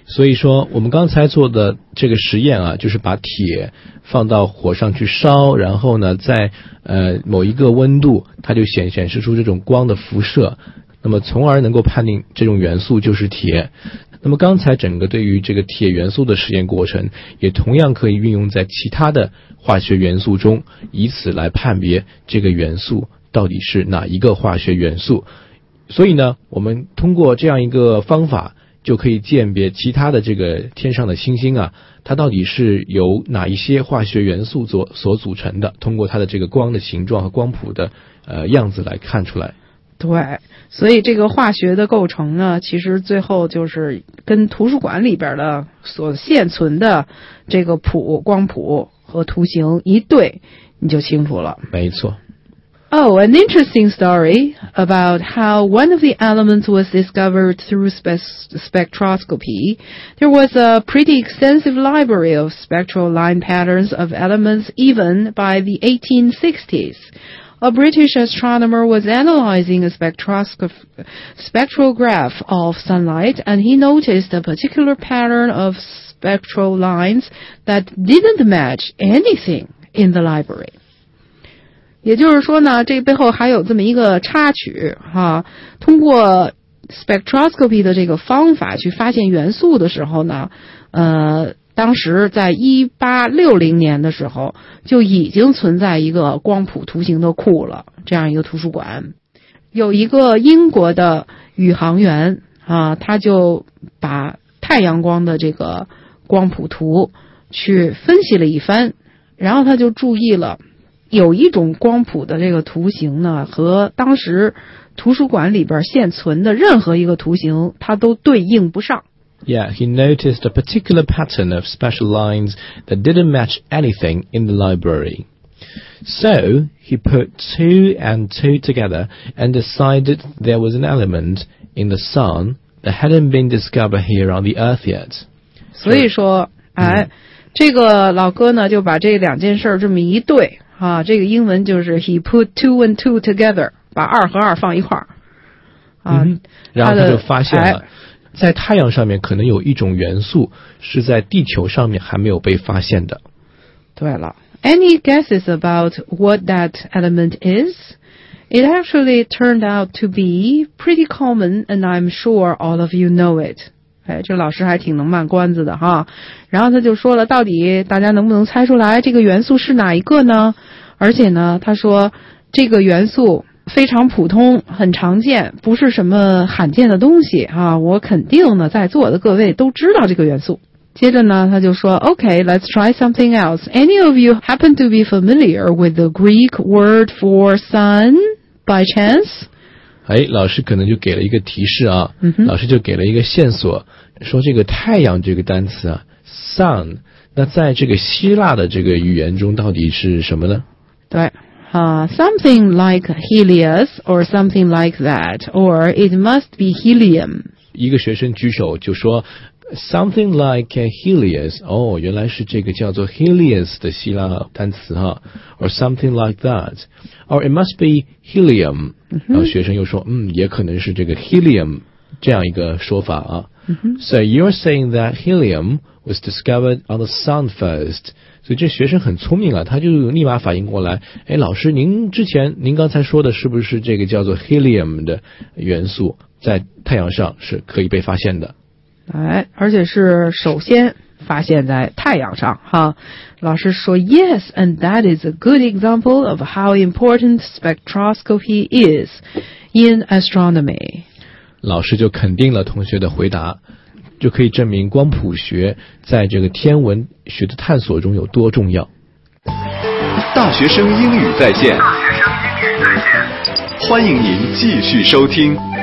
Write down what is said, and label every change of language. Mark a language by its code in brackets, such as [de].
[zh] 所以说我们刚才做的这个实验啊，就是把铁放到火上去烧，然后呢在某一个温度它就显示出这种光的辐射。那么从而能够判定这种元素就是铁。那么刚才整个对于这个铁元素的实验过程也同样可以运用在其他的化学元素中，以此来判别这个元素到底是哪一个化学元素。所以呢，我们通过这样一个方法就可以鉴别其他的这个天上的星星啊，它到底是由哪一些化学元素所组成的，通过它的这个光的形状和光谱的样子来看出来。对，所以这个化学的构成呢，其实最后就是跟图书馆里边的所现存的这个谱光谱和图形一对，你就清楚了。没错。 [en] Oh, an interesting story about how one of the elements was discovered through spectroscopy. There was a pretty extensive library of spectral line patterns of elements even by the 1860s. a British astronomer was analyzing a spectrograph of sunlight, and he noticed a particular pattern of spectral lines that didn't match anything in the library. [zh] 也就是说呢，这背后还有这么一个插曲哈、啊。通过 spectroscopy 的这个方法去发现元素的时候呢，当时在1860年的时候就已经存在一个光谱图形的库了，这样一个图书馆。有一个英国的宇航员啊，他就把太阳光的这个光谱图去分析了一番，然后他就注意了有一种光谱的这个图形呢，和当时图书馆里边现存的任何一个图形它都对应不上。 [en] Yeah, he noticed a particular pattern of special lines that didn't match anything in the library. So, he put two and two together and decided there was an element in the sun that hadn't been discovered here on the Earth yet. [zh] 所以说、哎、这个老哥呢就把这两件事这么一对、啊、这个英文就是 [en] he put two and two together, [zh] 把二和二放一块、啊嗯、然后他就发现了、哎在太阳上面可能有一种元素是在地球上面还没有被发现的。对了 [en] ，Any guesses about what that element is? It actually turned out to be pretty common, and I'm sure all of you know it. [zh] 哎，这老师还挺能卖关子的哈。然后他就说了，到底大家能不能猜出来这个元素是哪一个呢？而且呢，他说这个元素。非常普通，很常见，不是什么罕见的东西啊！我肯定呢，在座的各位都知道这个元素。接着呢，他就说 [en] ，OK, let's try something else. Any of you happen to be familiar with the Greek word for sun by chance? [zh] 哎，老师可能就给了一个提示啊，嗯、老师就给了一个线索，说这个太阳这个单词啊 ，sun， 那在这个希腊的这个语言中到底是什么呢？对。 [en] Something like Helios or something like that, or it must be helium. [zh] 一个学生举手就说 [en] something like Helios, [zh] 哦、oh, 原来是这个叫做 Helios 的希腊单词哈 [en] or something like that, or it must be helium.、 Mm-hmm. [zh] 然后学生又说嗯也可能是这个 helium, 这样一个说法啊。 Mm-hmm. [en] So you're saying that helium was discovered on the sun first. [zh] 所以这学生很聪明啊，他就立马反应过来，哎，老师，您之前，您刚才说的是不是这个叫做 helium 的元素在太阳上是可以被发现的？哎，而且是首先发现在太阳上哈。老师说 [en] ，Yes, and that is a good example of how important spectroscopy is in astronomy. [zh] 老师就肯定了同学的回答。就可以证明光谱学在这个天文学的探索中有多重要。大学生英语在线，欢迎您继续收听。